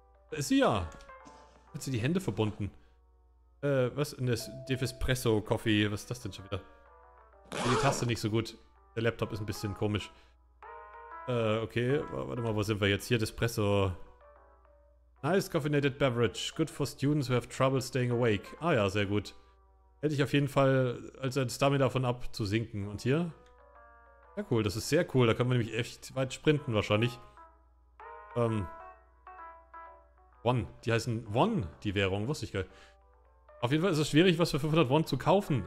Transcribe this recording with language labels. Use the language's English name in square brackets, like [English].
[German] Da ist sie ja. Hat sie die Hände verbunden. Was? Defespresso-Coffee. Was ist das denn schon wieder? Die Taste nicht so gut. Der Laptop ist ein bisschen komisch. Okay. Warte mal, wo sind wir jetzt? Hier, Despresso. [English] Nice caffeinated beverage. Good for students who have trouble staying awake. [German] Ah ja, sehr gut. Hätte ich auf jeden Fall, also ein Stamina davon ab, zu sinken. Und hier? Ja, cool. Das ist sehr cool. Da können wir nämlich echt weit sprinten, wahrscheinlich. Won. Die heißen Won, die Währung. Wusste ich gar nicht. Auf jeden Fall ist es schwierig, was für 500 Won zu kaufen.